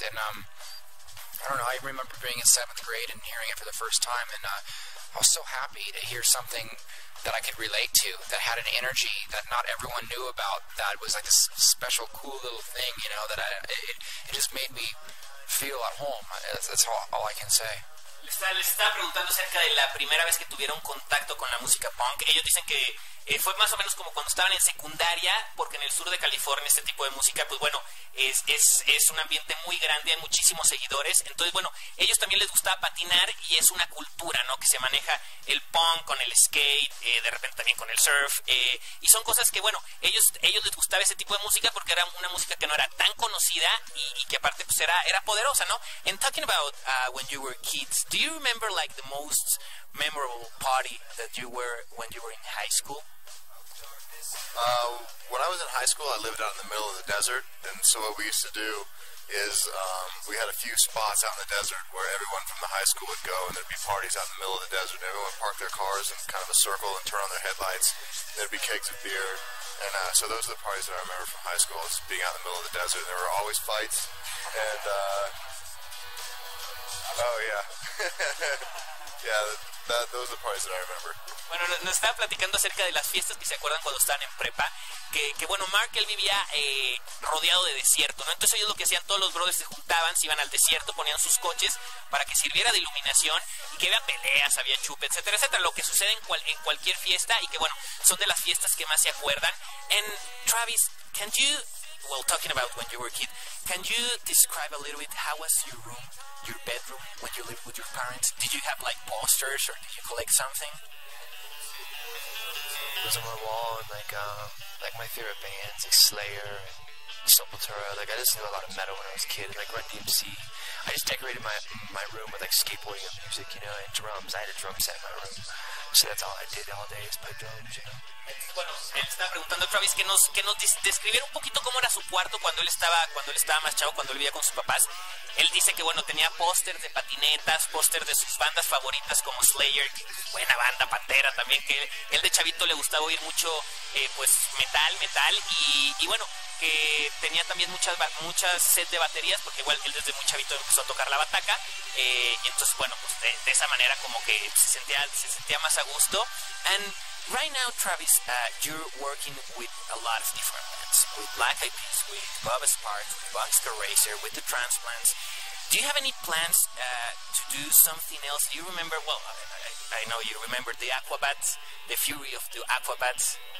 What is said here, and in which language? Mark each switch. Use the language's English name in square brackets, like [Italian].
[English] And I don't know. I remember being in seventh grade and hearing it for the first time, and I was so happy to hear something that I could relate to, that had an energy that not everyone knew about, that was like this special, cool little thing, you know, that it just made me feel at home. That's all I can say. [Spanish] Les estaba preguntando acerca de la primera vez que tuvieron contacto con la música punk. Ellos dicen que fue más o menos como cuando estaban en secundaria, porque en el sur de California este tipo de música, pues bueno, es un ambiente muy grande, hay muchísimos seguidores. Entonces, bueno, ellos también les gustaba patinar, y es una cultura, ¿no?, que se maneja el punk con el skate, de repente también con el surf, y son cosas que, bueno, ellos les gustaba ese tipo de música porque era una música que no era tan conocida y que aparte pues era poderosa, ¿no? [English] And talking about when you were kids, do you remember like the most memorable party that you were when you were in high school? When I was in high school, I lived out in the middle of the desert, and so what we used to do is we had a few spots out in the desert where everyone from the high school would go, and there'd be parties out in the middle of the desert, and everyone would park their cars in kind of a circle and turn on their headlights, and there'd be kegs of beer, and so those are the parties that I remember from high school, is being out in the middle of the desert, and there were always fights, and oh yeah. Yeah, That, those are the parties that I remember. [Spanish] Bueno, nos estaba platicando acerca de las fiestas que se acuerdan cuando estaban en prepa. Que bueno, Mark, él vivía rodeado de desierto, ¿no? Entonces ellos lo que hacían, todos los brothers se juntaban, se iban al desierto, ponían sus coches para que sirviera de iluminación y que había peleas, había chupe, etcétera, etcétera. Lo que sucede en cualquier fiesta y que, bueno, son de las fiestas que más se acuerdan. [English] And Travis, can you, well, talking about when you were a kid, can you describe a little bit how was your room, your bedroom, when you lived with your parents? Did you have, like, posters or did you collect something? It was on my wall and, like my favorite bands, like Slayer and Sepultura. Like, I just knew a lot of metal when I was a kid, like Run DMC. I just decorated my room with, like, skateboarding and music, you know, and drums. I had a drum set in my room. So that's all I did all day is play drums, you know. [Spanish] Bueno, él estaba preguntando a Travis que nos describiera un poquito cómo era su cuarto cuando él estaba más chavo, cuando él vivía con sus papás. Él dice que, bueno, tenía póster de patinetas, póster de sus bandas favoritas como Slayer, buena banda, Pantera también, que él de chavito le gustaba oír mucho, pues, metal, y bueno, que tenía también muchas set de baterías, porque igual él desde muy chavito empezó a tocar la bataca, y entonces, bueno, pues, de esa manera como que se sentía más a gusto. [English] And right now, Travis, you're working with a lot of different bands, with Black Eyed Peas, with Bob Sparks, with Boxcar Racer, with the Transplants. Do you have any plans to do something else? Do you remember, well, I know you remember the Aquabats, the Fury of the Aquabats.